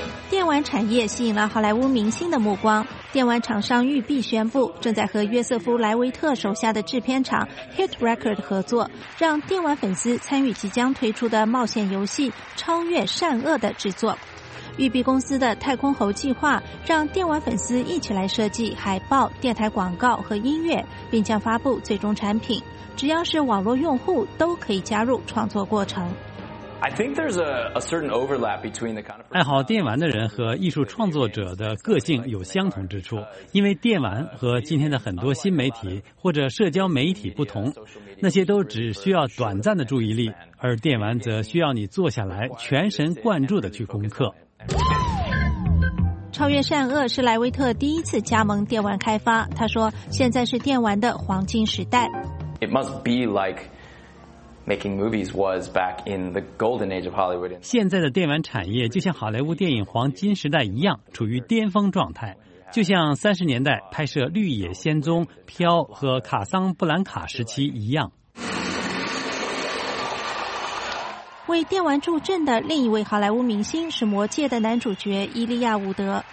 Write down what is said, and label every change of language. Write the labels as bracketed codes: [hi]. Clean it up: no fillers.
[zh] 电玩产业吸引了好莱坞明星的目光，电玩厂商育碧宣布正在和约瑟夫·莱维特手下的制片厂 Hit Record 合作，让电玩粉丝参与即将推出的冒险游戏《超越善恶》的制作。育碧公司的太空猴计划让电玩粉丝一起来设计海报、电台广告和音乐，并将发布最终产品，只要是网络用户都可以加入创作过程。 [en] I think there's a certain overlap between the kind of [zh] 爱好电玩的人和艺术创作者的个性有相同之处，因为电玩和今天的很多新媒体或者社交媒体不同，那些都只需要短暂的注意力，而电玩则需要你坐下来全神贯注地去攻克。超越善恶是莱维特第一次加盟电玩开发，他说现在是电玩的黄金时代。 [en] It must be like making movies was back in the golden age of Hollywood. [zh] 现在的电玩产业就像好莱坞电影黄金时代一样，处于巅峰状态。就像30年代拍摄《绿野仙踪》《飘》和《卡桑布兰卡》时期一样。为电玩助阵的另一位好莱坞明星是《魔戒》的男主角伊利亚·伍德。